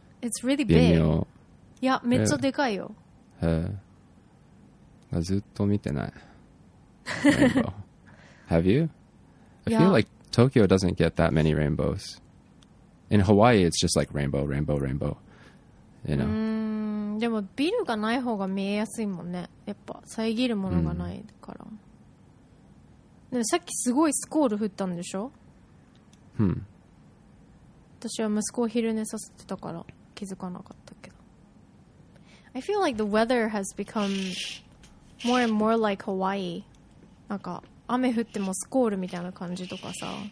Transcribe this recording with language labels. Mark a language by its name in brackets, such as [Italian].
[English] It's really big. Yeah, [Japanese] めっちゃでかいよ。へえ。ずっと見てない。 [English] Rainbow. Have you? I feel like Tokyo doesn't get that many rainbows. In Hawaii, it's just like rainbow, rainbow, rainbow. You know? [Japanese] でもビルがない方が見えやすいもんね。やっぱ遮るものがないから。でもさっきすごいスコール降ったんでしょ？私は息子を昼寝させてたから気づかなかったけど。 [English] I feel like the weather has become more and more like Hawaii. [Japanese] なんか雨降ってもスコールみたいな感じとかさ。